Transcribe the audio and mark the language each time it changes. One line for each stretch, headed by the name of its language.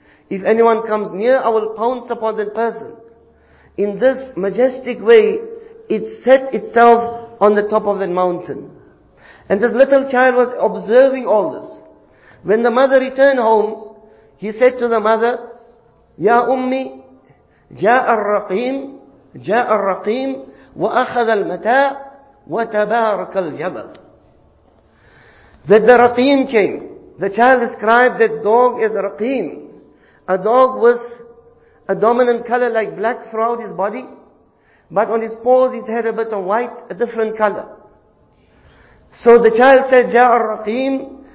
English: If anyone comes near, I will pounce upon that person. In this majestic way, it set itself on the top of that mountain. And this little child was observing all this. When the mother returned home, he said to the mother,
Arabic: Ya ummi, ja'a ar-raqim, جاء الرقيم وأخذ المتاع وتبارك الجبل.
English: That the raqim came. The child described that dog as raqim. A dog with a dominant color like black throughout his body. But on his paws it had a bit of white, a different color. So the child said,
Arabic: جاء الرقيم.